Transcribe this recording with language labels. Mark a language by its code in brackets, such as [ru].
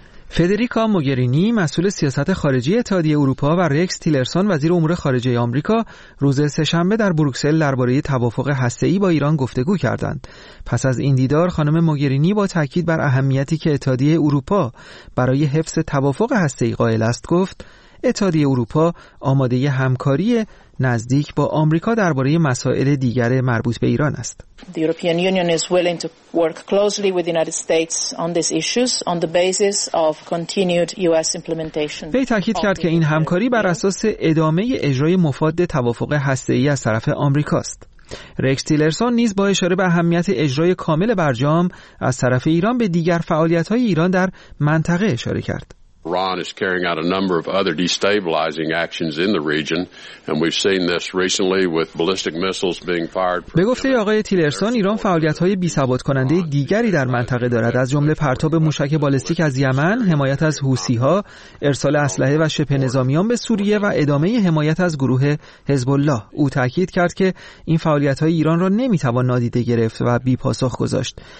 [fa] فدریکا موگرینی مسئول سیاست خارجی اتحادیه اروپا و رکس تیلرسون وزیر امور خارجه آمریکا روز سه‌شنبه در بروکسل درباره توافق هسته‌ای با ایران گفتگو کردند. پس از این دیدار خانم موگرینی با تاکید بر اهمیتی که اتحادیه اروپا برای حفظ توافق هسته‌ای قائل است گفت اتحادیه اروپا آماده همکاری نزدیک با آمریکا درباره مسائل دیگر مربوط به ایران است. [en] The European Union is willing to work closely with the United States on these issues on the basis of continued US implementation. [fa] وی تاکید کرد که این همکاری بر اساس ادامه اجرای مفاد توافق هسته‌ای از طرف آمریکا است. رکس تیلرسون نیز با اشاره به اهمیت اجرای کامل برجام از طرف ایران به دیگر فعالیت‌های ایران در منطقه اشاره کرد. [en] Iran is carrying out a number of other destabilizing actions in the region and we've seen this recently with ballistic missiles being fired. [fa] به گفته آقای تیلرسون ایران فعالیت‌های بی‌ثبات کننده دیگری در منطقه دارد، از جمله پرتاب موشک بالستیک از یمن، حمایت از حوثی‌ها، ارسال اسلحه و شبه نظامیان به سوریه و ادامه حمایت از گروه حزب الله. او تاکید کرد که این فعالیت‌های ایران را نمی‌توان نادیده گرفت و بی‌پاسخ گذاشت.